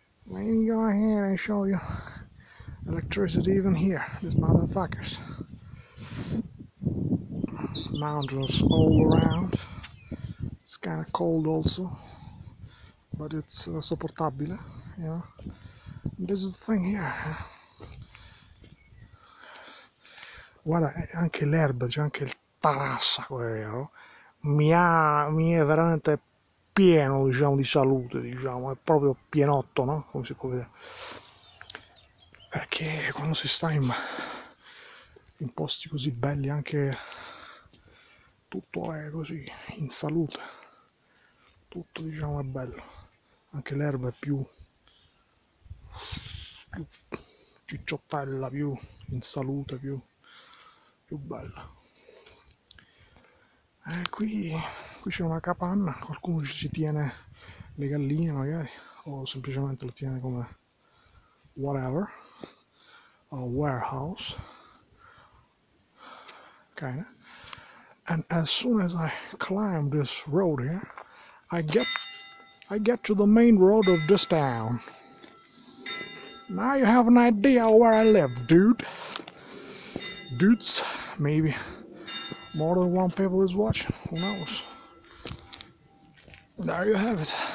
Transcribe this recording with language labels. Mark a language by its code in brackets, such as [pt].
[en] Let me go ahead and show you electricity even here, these motherfuckers. Mountains all around. It's kind of cold also, but it's sopportabile, you know. This is the thing here. [it] Guarda, anche l'erba, c'è anche il tarassaco, vero? Mi è veramente pieno, diciamo, di salute, diciamo, è proprio pienotto, no? Come si può vedere. Perché quando si sta in posti così belli, anche tutto è così, in salute. Tutto, diciamo, è bello. Anche l'erba è più cicciottella, più in salute, più bella. Qui c'è una capanna, qualcuno ci tiene le galline magari, o semplicemente lo tiene come [en] whatever, a warehouse, ok, And as soon as I climb this road here, I get to the main road of this town. Now you have an idea where I live, dude. Dudes, maybe more than one people is watching, who knows? There you have it.